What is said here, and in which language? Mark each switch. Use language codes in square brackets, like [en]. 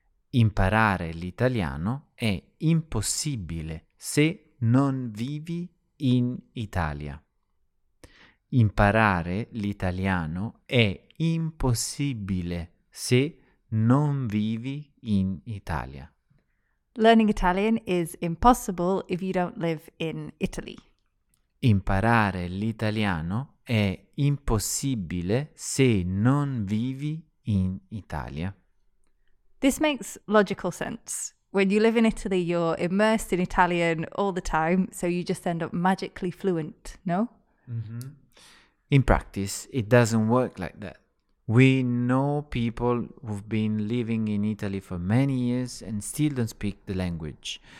[it] Imparare l'italiano è impossibile se non vivi in Italia. Imparare l'italiano è impossibile se non vivi in Italia. [en] Learning Italian is impossible if you don't live in Italy. [it] Imparare l'italiano è impossibile se non vivi in Italia. [en] This makes logical sense. When you live in Italy, you're immersed in Italian all the time, so you just end up magically fluent, no? Mm-hmm. In practice, it doesn't work like that. We know people who've been living in Italy for many years and still don't speak the language.